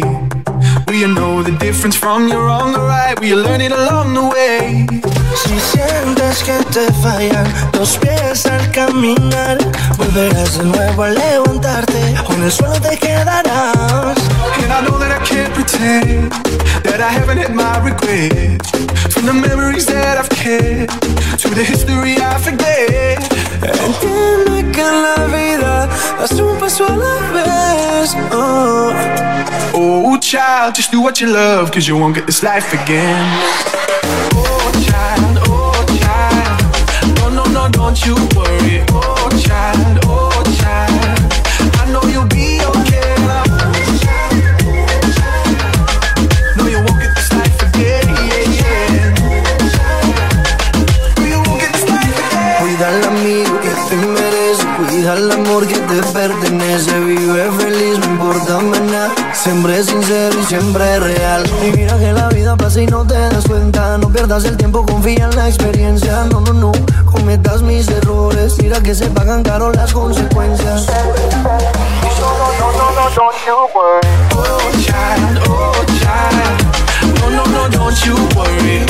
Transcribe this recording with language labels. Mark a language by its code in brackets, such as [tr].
[en] Will you know the difference from your wrong or right? Will you learn it along the way? [es] Si sientes que te fallan los pies al caminar, volverás de nuevo a levantarte, con el suelo te quedarás. [en] And I know that I can't pretend that I haven't had my regrets, from the memories that I've kept to the history I forget. [es] Entiende que en la vida das un paso a la vez. Oh, [en] oh child, just do what you love, 'cause you won't get this life again. Don't you worry, oh child, I know you'll be okay. No, you won't get this life again, yeah, yeah. No, you won't get this life again. [es] Cuida el amigo que te merece, cuida el amor que te pertenece, vive feliz, no importa nada. Siempre sincero y siempre real. Y mira que la vida pasa y no te das cuenta. No pierdas el tiempo, confía en la experiencia. No, no, no, cometas mis errores. Mira que se pagan caro las consecuencias. [en] No, no, no, no, don't you worry. Oh child, oh child. No, no, no, don't you worry.